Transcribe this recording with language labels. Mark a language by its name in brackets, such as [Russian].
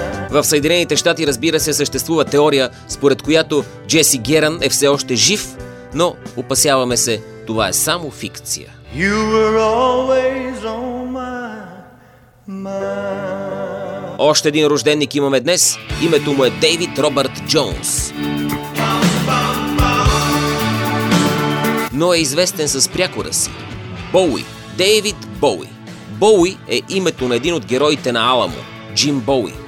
[Bulgarian] В Съединените щати, разбира се, съществува теория, според която Джеси Геран е все още жив, но опасяваме се, това е само фикция. [English] You were always on my mind. [Bulgarian] Още един рожденник имаме днес. Името му е Дейвид Робърт Джонс. Но е известен с прякора си. Боуи. Дейвид Боуи. Боуи е името на един от героите на Аламо. Джим Боуи.